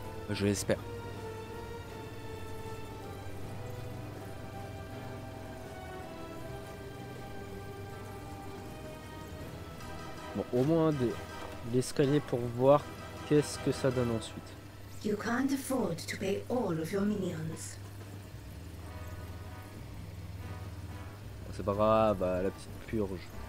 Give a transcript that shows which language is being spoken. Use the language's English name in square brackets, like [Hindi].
[French] Je l'espère. Bon, au moins l'escalier pour voir qu'est-ce que ça donne ensuite. [English] You can't afford to pay all of your minions. [French] C'est pas grave, la petite purge.